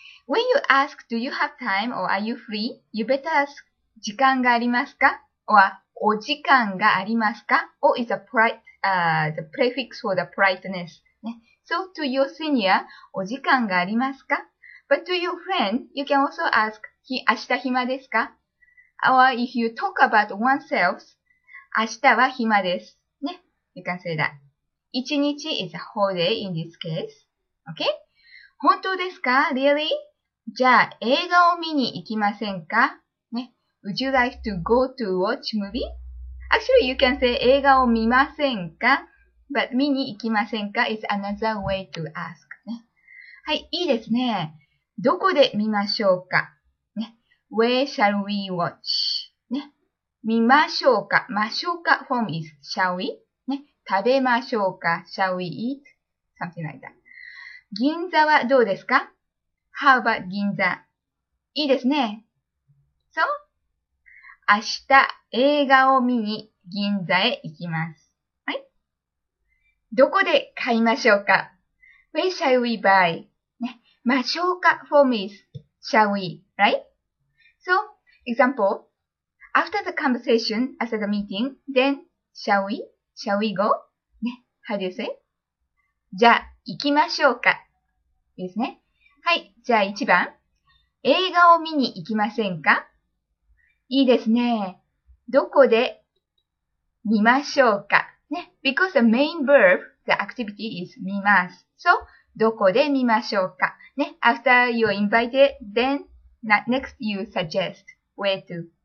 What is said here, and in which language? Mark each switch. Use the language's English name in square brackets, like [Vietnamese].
[English] When you ask, do you have time or are you free? You better ask, [Japanese] 時間がありますか? Or, お時間がありますか? [English] Or is a polite, the prefix for the politeness. ね?So, to your senior, [Japanese] お時間がありますか? [English] But to your friend, you can also ask, [Japanese] 明日暇ですか? [English] Or if you talk about oneself, [Japanese] 明日は暇です. [English] ね?You can say that. 一日 is a whole day in this case. Okay? [Japanese] 本当ですか? [English] Really? [Japanese] じゃあ、映画を見に行きませんか? ね? [English] Would you like to go to watch movie? Actually, you can say [Japanese] 映画を見ませんか? [English] But [Japanese] 見に行きませんか? [English] Is another way to ask. ね? [Japanese] はい、いいですね。どこで見ましょうか?ね? [English] Where shall we watch? [Japanese] ね? [English] 見ましょうか?ましょうか?Form is shall we? ね? [Japanese] 食べましょうか? [English] Shall we eat? Something like that. [Japanese] 銀座はどうですか? [English] How about [Japanese] 銀座?いいですね。 So, 明日映画を見に銀座へ行きます。 [English] Right? [Japanese] どこで買いましょうか? [English] Where shall we buy? ましょうか?Form is shall we, right? So, example, after the conversation, after the meeting, then shall we? Shall we go? ね?How do you say? [Japanese] じゃあ、行きましょうか?ですね。はい、じゃあ1番 映画を見に行きませんか? いいですね。どこで見ましょうか?ね? [English] Because the main verb, the activity is 見ます。 [Japanese] So, どこで見ましょうか? ね? [English] After you're invited, then next you suggest where to.